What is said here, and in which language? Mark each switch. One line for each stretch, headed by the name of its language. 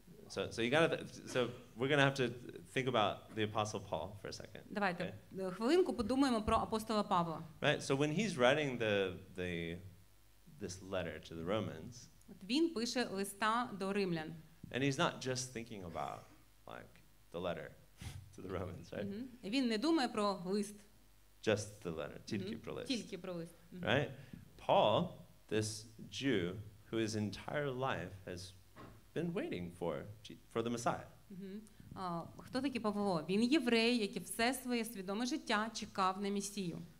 English: So we're going to have to think about the Apostle Paul for a second.
Ukrainian: Давайте хвилинку подумаємо про апостола Павла.
English: Right, so when he's writing this letter to the Romans,
Ukrainian: він пише листа до римлян.
English: And he's not just thinking about, like, the letter to the Romans, right?
Ukrainian: Він не думає про лист.
English: Just the letter,
Ukrainian: тільки про лист. Тільки про лист.
English: Right? Paul, this Jew, who his entire life has been waiting for the Messiah.
Ukrainian: Хто такий Павло? Він єврей, який все своє свідоме життя чекав на Месію.